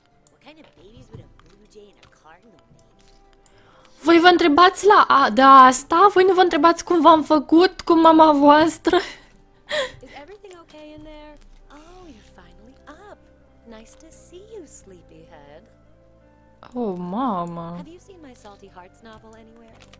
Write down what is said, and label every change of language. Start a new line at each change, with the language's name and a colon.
English: What kind of babies would a blue jay and a cardinal make?
Romanian: Voi vă întrebați la a, de asta? Voi nu vă întrebați cum v-am făcut cu mama voastră?
English: Is everything okay in there? Oh, you're finally up. Nice to see you, sleepyhead.
Romanian: Oh, mama.
English: Have you seen my Salty Hearts novel anywhere?